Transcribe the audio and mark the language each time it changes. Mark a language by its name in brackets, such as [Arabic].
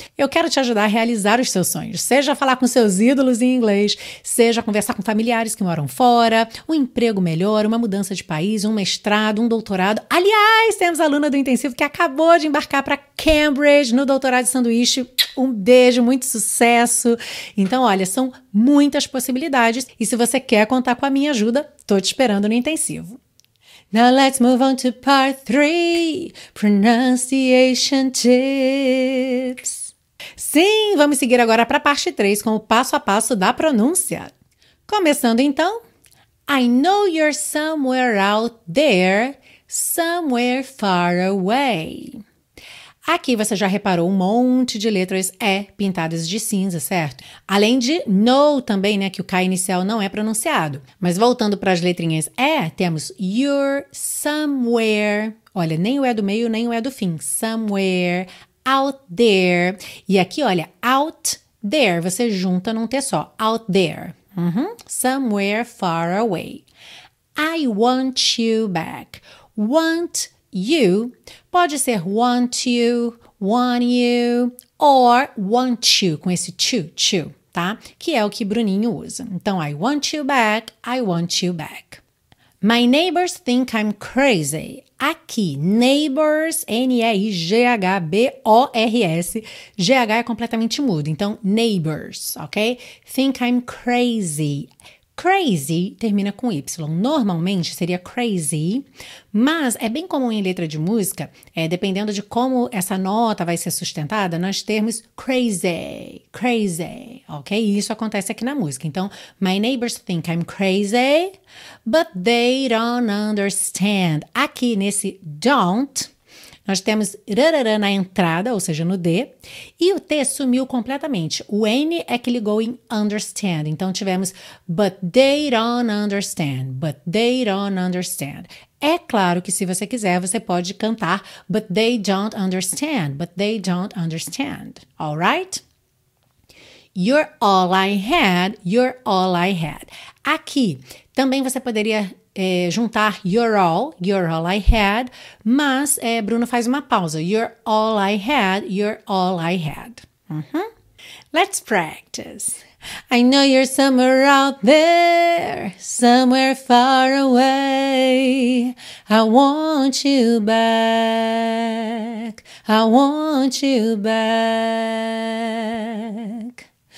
[Portuguese] Eu quero te ajudar a realizar os seus sonhos, seja falar com seus ídolos em inglês, seja conversar com familiares que moram fora, um emprego melhor, uma mudança de país, um mestrado, um doutorado. Aliás, temos aluna do intensivo que acabou de embarcar para Cambridge no doutorado de sanduíche. Um beijo, muito sucesso. Então, olha, são muitas possibilidades e se você quer contar com a minha ajuda, tô te esperando no intensivo. [English] Now let's move on to part 3, pronunciation tips. [Portuguese] Sim, vamos seguir agora para a parte 3 com o passo a passo da pronúncia. Começando então, [English] I know you're somewhere out there, somewhere far away. [Portuguese] Aqui você já reparou um monte de letras E pintadas de cinza, certo? Além de no também, né, que o K inicial não é pronunciado. Mas voltando para as letrinhas E, temos [English] you're somewhere. [Portuguese] Olha, nem o E do meio, nem o E do fim. [English] Somewhere, out there. [Portuguese] E aqui, olha, [English] out there. [Portuguese] Você junta num T só. [English] Out there. [Portuguese] Uhum. [English] Somewhere far away. I want you back. Want you, [Portuguese] pode ser [English] want you, or want you, [Portuguese] com esse to, tá? Que é o que Bruninho usa. Então, [English] I want you back, I want you back. My neighbors think I'm crazy. [Portuguese] Aqui, neighbors, N-E-I-G-H-B-O-R-S. G-H é completamente mudo, então neighbors, ok? [English] Think I'm crazy. [Portuguese] Crazy termina com Y, normalmente seria crazy, mas é bem comum em letra de música, dependendo de como essa nota vai ser sustentada, nós termos crazy, ok? E isso acontece aqui na música, então, [English] my neighbors think I'm crazy, but they don't understand. [Portuguese] Aqui nesse don't, nós temos rarara na entrada, ou seja, no D, e o T sumiu completamente. O N é que ligou em understand. Então, tivemos [English] but they don't understand, but they don't understand. [Portuguese] É claro que se você quiser, você pode cantar [English] but they don't understand, but they don't understand. All right? You're all I had, you're all I had. [Portuguese] Aqui, também você poderia juntar [English] you're all I had, [Portuguese] mas Bruno faz uma pausa. [English] You're all I had, you're all I had. Uhum. Let's practice. I know you're somewhere out there, somewhere far away. I want you back, I want you back.